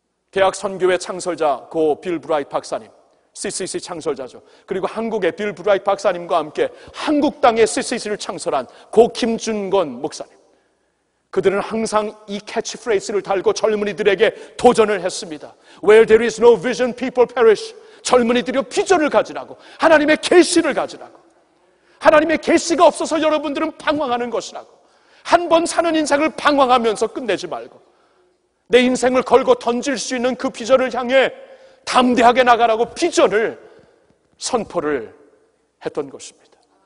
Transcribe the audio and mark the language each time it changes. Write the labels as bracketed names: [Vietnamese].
[Korean] 대학 선교회 창설자 고 빌 브라이트 박사님, CCC 창설자죠. 그리고 한국의 빌 브라이트 박사님과 함께 한국 땅의 CCC를 창설한 고 김준건 목사님, 그들은 항상 이 캐치프레이스를 달고 젊은이들에게 도전을 했습니다. [English] Where there is no vision, people perish. [Korean] 젊은이들이 비전을 가지라고, 하나님의 계시를 가지라고, 하나님의 계시가 없어서 여러분들은 방황하는 것이라고, 한 번 사는 인생을 방황하면서 끝내지 말고 내 인생을 걸고 던질 수 있는 그 비전을 향해 담대하게 나가라고 비전을 선포를 했던 것입니다.